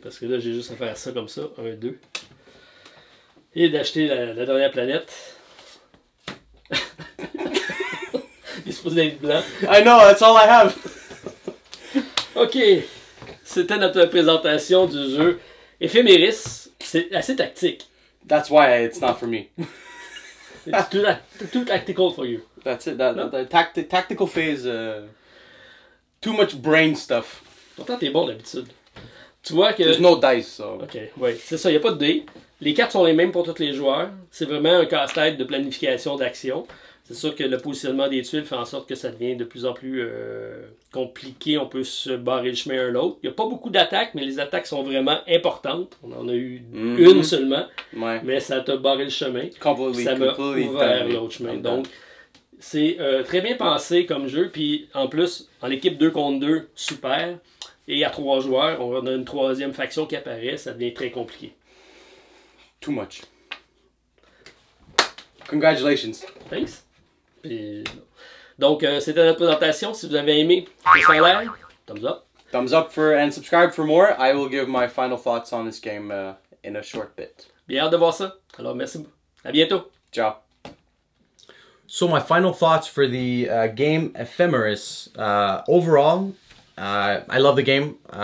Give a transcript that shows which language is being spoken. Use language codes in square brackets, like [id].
[fr] Parce que là, j'ai juste à faire ça comme ça. 1, 2. Et d'acheter la dernière planète. Il est supposé être blanc. [en] I know, that's all I have. OK. [fr] C'était notre présentation du jeu. Efemeris, c'est assez tactique. [en] That's why it's not for me. It's too tactical for you. That's it. Tactical phase. Too much brain stuff. [fr] Pourtant, t'es bon d'habitude. Tu vois que... [en] There's no dice, so... [fr] OK, oui. C'est ça, y a pas de dés. Les cartes sont les mêmes pour tous les joueurs. C'est vraiment un casse-tête de planification d'action. C'est sûr que le positionnement des tuiles fait en sorte que ça devient de plus en plus compliqué. On peut se barrer le chemin un l'autre. Il n'y a pas beaucoup d'attaques, mais les attaques sont vraiment importantes. On en a eu une seulement, mais ça t'a barré le chemin. [en] Completely, [fr] ça m'a ouvert l'autre chemin. Donc, c'est très bien pensé comme jeu. Puis, en plus, en équipe 2 contre 2, super. Et à 3 joueurs, on a une troisième faction qui apparaît. Ça devient très compliqué. [en] Too much. Congratulations. Thanks. [fr] Donc, c'était notre présentation. Si vous avez aimé, ça a l'air. [en] Thumbs up. Thumbs up for and subscribe for more. I will give my final thoughts on this game in a short bit. [fr] Bien hâte de voir ça. Alors, merci. À bientôt. Ciao. [en] So, my final thoughts for the game Efemeris. Overall, I love the game.